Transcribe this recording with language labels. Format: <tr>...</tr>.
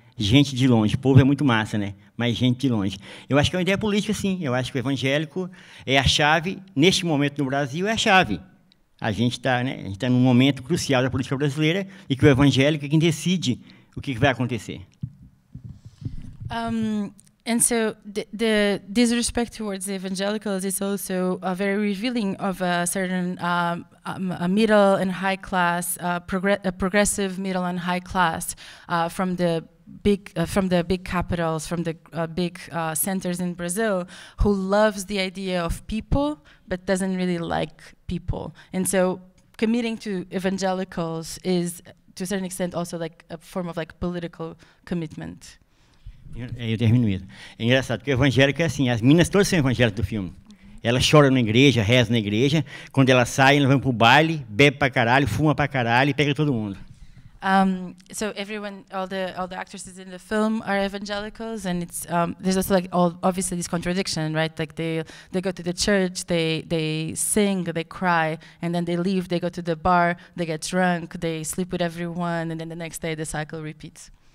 <pt>Gente de longe, povo é muito massa, né? Mas gente de longe. Eu acho que é uma ideia política, sim. Eu acho que o evangélico é a chave, neste momento no Brasil, é a chave. A gente está, né, tá num momento crucial da política brasileira e que o evangélico é quem decide o que vai acontecer.</pt> <en>And so the disrespect towards the evangelicals is also a very revealing of a certain a middle and high class, a progressive middle and high class from the big capitals, from the big centers in Brazil, who loves the idea of people but doesn't really like people. And so committing to evangelicals is, to a certain extent, also like a form of like political commitment.</en> <pt>Eu termino mesmo. É engraçado, porque o evangélico é assim, as meninas todas são evangélicas do filme. Elas choram na igreja, rezam na igreja, quando elas saem, elas vão pro baile, bebem pra caralho, fumam pra caralho e pegam todo mundo.</pt> <en>So everyone, all the actresses in the film are evangelicals, and it's there's also like all obviously this contradiction, right? Like they go to the church, they sing, they cry, and then they leave, they go to the bar, they get drunk, they sleep with everyone, and then the next day the cycle repeats.</en>